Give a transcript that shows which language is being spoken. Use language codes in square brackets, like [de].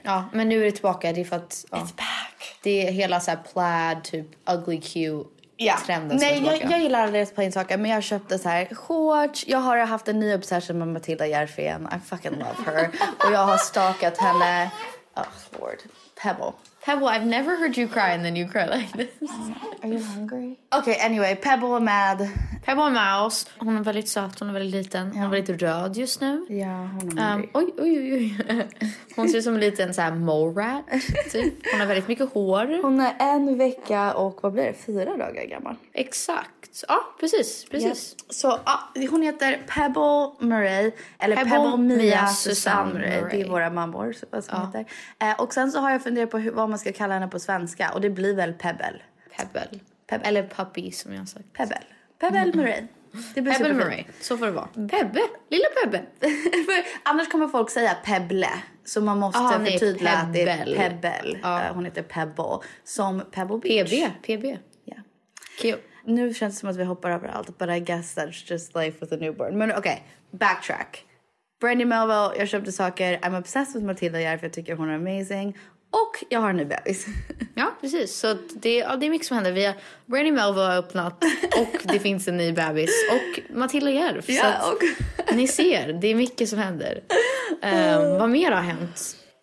[sv] Ja, men nu är det tillbaka. Det är för att... [en] It's back. [sv] Det är hela så här plaid, typ [en] ugly cute [sv] trenden. Nej, jag gillar det på en sak. Men jag köpte så här shorts. Jag har haft en ny obsession med Matilda Järfén. [en] I fucking love her. [sv] Och jag har stalkat henne. [en] Oh, Lord. Pebble, I've never heard you cry and then you cry like this. Are you hungry? Okay, anyway, Pebble and Mad. Pebble and Mouse. [sv] Hon är väldigt söt, hon är väldigt liten. Hon är väldigt röd just nu. Ja, hon är hungry. Oj, oj, oj. Hon ser ut som en liten så här mole rat, typ. Hon har väldigt mycket hår. Hon är en vecka och vad blir det, 4 dagar gammal. Exakt. Ja, precis. Yes. Så hon heter Pebble Murray. Eller Pebble Mia Susanne Murray. Det är våra mammor, vad som heter. Och sen så har jag funderat på vad man ska kalla henne på svenska. Och det blir väl Pebble. Pebble. Pebble. Eller Puppy som jag har sagt. Pebble. Pebble Murray. Det blir Pebble Murray. Så får det vara. Pebble. Lilla Pebble. För annars kommer folk säga Pebble. Så man måste förtydliga att det är Pebble. Hon heter Pebble. Som Pebble Beach. PB. Ja. [en] Cute. [sv] Nu känns det som att vi hoppar över allt. [en] But I guess that's just life with a newborn. [sv] Men okej. Backtrack. Brandy Melville. Jag köpte saker. [en] I'm obsessed with Matilda Järf. [sv] Jag tycker hon är amazing. Och jag har en ny bebis. Ja, precis. Så det är mycket som händer. Vi har Brandy Melville har öppnat och det finns en ny bebis. Och Matilda Järf. Ja, och... Ni ser, det är mycket som händer. Vad mer har hänt?